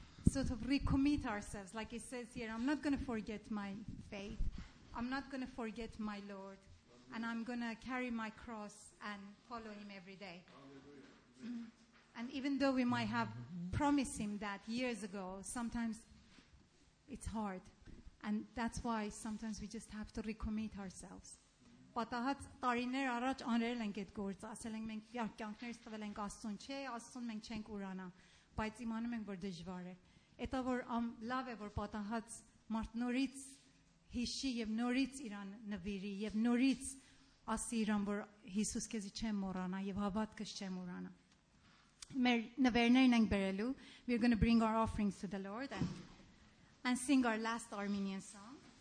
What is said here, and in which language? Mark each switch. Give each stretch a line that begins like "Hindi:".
English: Sort of recommit ourselves, like it says here, I'm not going to forget my faith, I'm not going to forget my Lord, and I'm going to carry my cross and follow him every day. And even though we might have promised him that years ago, sometimes it's hard, and that's why sometimes we just have to recommit ourselves.
Armenian: Պատահած տարիներ առաջ անել ենք այդ գործը, ասել ենք մենք կյանքներս տվել ենք Աստծուն, չէ, Աստծուն մենք չենք ուրանա, բայց իմանում ենք, որ դժվար է։ Это որ լավ է որ պատահած մարդ նորից հիշի եւ նորից իրան նվիրի եւ նորից ասի իրան որ Հիսուս քեզի չեմ մոռանա եւ հավատքս չեմ ուրանա։ Մեր նվերներն ենք բերելու.
English: We are going to bring our offerings to the Lord and sing our last Armenian song.